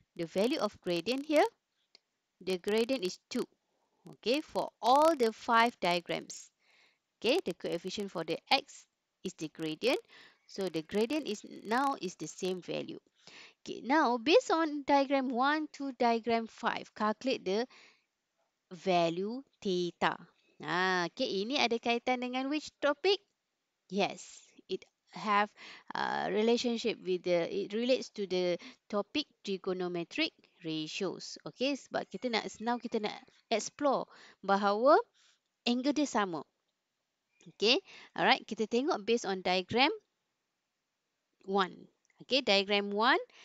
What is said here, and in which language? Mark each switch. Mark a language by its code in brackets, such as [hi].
[en] The value of gradient here, the gradient is 2, okay, for all the 5 diagrams, okay, the coefficient for the x is the gradient, so the gradient is now is the same value. Okay, now, based on diagram 1 to diagram 5, calculate the value theta. [ms] Ah, okay, ini ada kaitan dengan [en] which topic? Yes, it have a relationship with the, it relates to the topic trigonometric ratios. [ms] Okay, sebab kita nak, [en] now [ms] kita nak explore bahawa angle dia sama. [en] Okay, alright, [ms] kita tengok [en] based on diagram 1. Okay, diagram 1.